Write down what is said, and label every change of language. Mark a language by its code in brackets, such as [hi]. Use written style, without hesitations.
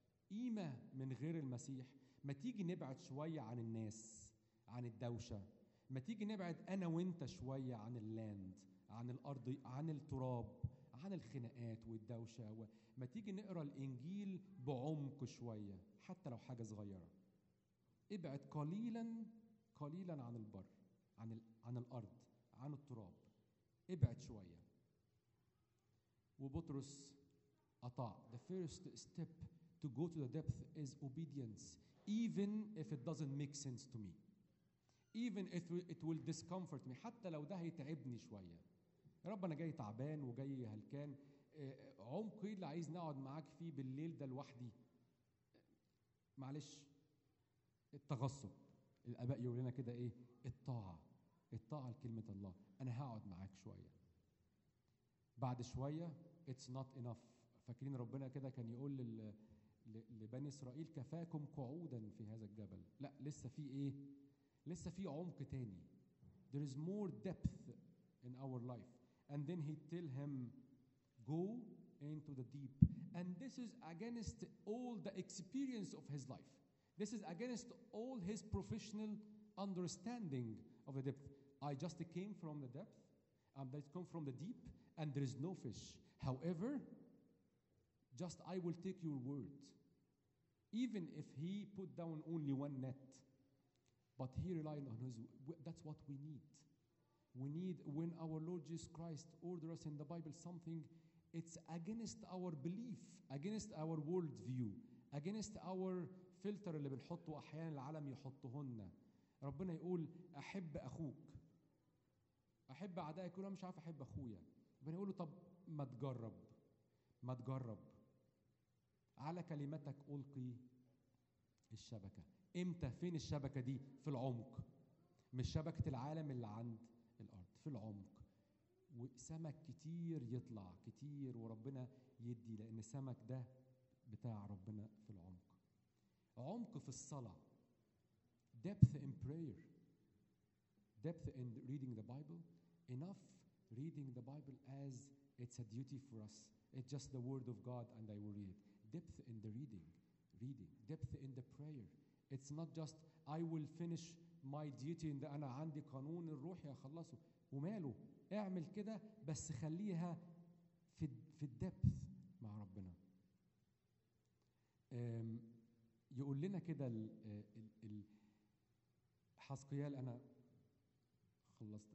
[ar] قيمة من غير المسيح، ما تيجي نبعد شوية عن الناس، عن الدوشة، ما تيجي نبعد أنا وإنت شوية عن اللاند، عن الأرض، عن التراب، عن الخناقات والدوشة، ما تيجي نقرأ الإنجيل بعمق شوية، حتى لو حاجة صغيرة، ابعد قليلاً قليلاً عن البر، عن الأرض، عن التراب، ابعد شوية. وبطرس أطاع. [en] The first step to go to the depth is obedience. Even if it doesn't make sense to me. Even if it will discomfort me. [ar] حتى لو ده هيتعبني شوية. ربنا جاي تعبان وجاي هلكان. عمق اللي عايز نقعد معاك فيه بالليل ده لوحدي. معلش. التغصب. الأباء يقول لنا كده إيه؟ الطاعة. الطاعة لكلمة الله. أنا هقعد معاك شوية. بعد شوية. [en] It's not enough. [ar] فاكرين ربنا كده كان يقول لبني إسرائيل كفاكم قعودا في هذا الجبل. لا، لسه في إيه؟ لسه في عمق تاني. [en] There is more depth in our life. And then he tell him, go into the deep. And this is against all the experience of his life. This is against all his professional understanding of the depth. I just came from the depth, and I come from the deep, and there is no fish. However, just I will take your word. Even if he put down only one net, but he relied on his, that's what we need. We need, when our Lord Jesus Christ ordered us in the Bible something, it's against our belief, against our worldview, against our filter [ar] اللي بنحطه أحيانا العالم يحطهن. ربنا يقول أحب أخوك، أحب أعدائك، يقول مش عارف أحب أخويا. ربنا يقول له طب ما تجرب، ما تجرب، على كلمتك ألقي الشبكة. إمتى؟ فين الشبكة دي؟ في العمق، مش شبكة العالم اللي عند الأرض، في العمق. وسمك كتير يطلع كتير، وربنا يدي، لأن السمك ده بتاع ربنا في العمق. عمق في الصلاة، [en] depth in prayer, depth in reading the Bible, enough reading the Bible as it's a duty for us, it's just the word of God and I will read it. Depth in the reading, depth in the prayer. It's not just I will finish my duty in the [ar] أنا عندي قانون الروحي أخلصه وماله، اعمل كده بس خليها في الدبث مع ربنا. يقول لنا كده حسقيال، أنا خلصت.